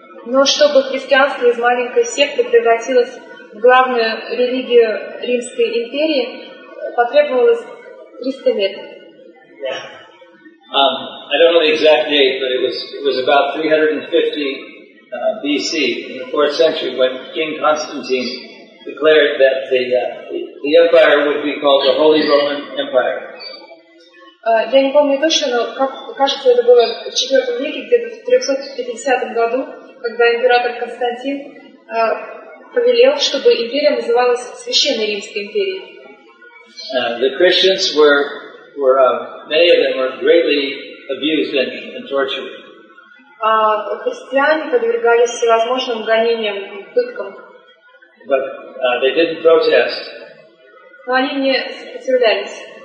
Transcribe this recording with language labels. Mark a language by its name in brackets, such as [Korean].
[Russian] Но чтобы христианство из маленькой секты превратилось в главную религию Римской империи, потребовалось 300 лет. [English] I don't know the exact date, but it was about 350 BC, in the 4th century, when King Constantine declared that the empire would be called the Holy Roman Empire. [Russian] Я не помню точно, но кажется, это было в 4 веке, где-то в 350 году, когда император Константин повелел, чтобы империя называлась Священной Римской империей. [English] The Christians were many of them were greatly abused and tortured. [Russian] Христиане подвергались всевозможным гонениям и пыткам. [English] But they didn't protest. [Russian] Но они не сопротивлялись.